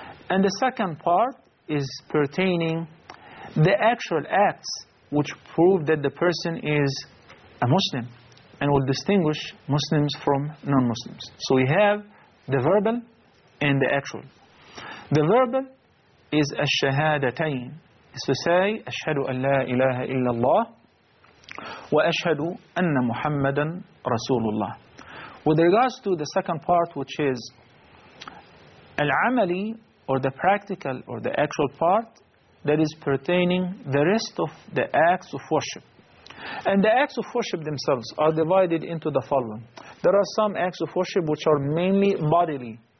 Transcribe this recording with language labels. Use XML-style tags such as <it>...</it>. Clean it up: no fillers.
<en>And the second part is pertaining the actual acts which prove that the person is a Muslim and will distinguish Muslims from non-Muslims. So we have the verbal and the actual. The verbal is</en> <ar>الشهادتين,</ar> <en>is to say</en> <ar>أشهدُ أن لا إله إلا الله وأشهدُ أن محمدًا رسول الله.</ar> <en>With regards to the second part, which is العملي or the practical or the actual part, that is pertaining the rest of the acts of worship. And the acts of worship themselves are divided into the following. There are some acts of worship which are mainly bodily.</en>